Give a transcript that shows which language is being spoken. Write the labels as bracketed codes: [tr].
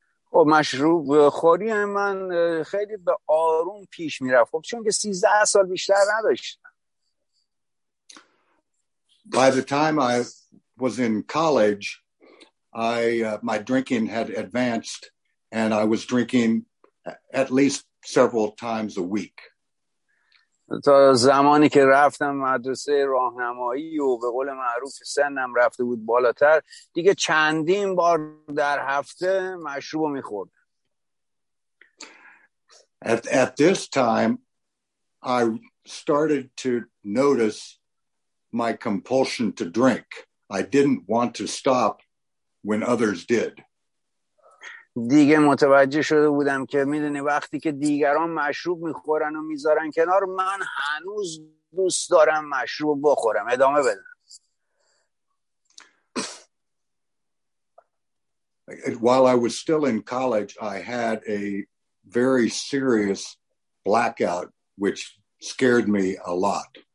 [fa] خب مشروب خوری من خیلی به آروم پیش می رفت. خب چون که 13 سال بیشتر نداشتم. [en] By the time I was in college, my drinking had advanced and I was drinking at least several times a week. [fa] تا زمانی که رفتم مدرسه راهنمایی و به قول معروف سنم رفته بود بالاتر، دیگه چندین بار در هفته مشروب رو میخورد. [en] At this time I started to notice my compulsion to drink. I didn't want to stop when others did. [fa] دیگه متوجه شده بودم که میدونی وقتی که دیگران مشروب میخورن و میذارن کنار، من هنوز دوست دارم مشروب بخورم، ادامه بدم. [en] While I was still in college, I had a very serious blackout, which scared me a lot.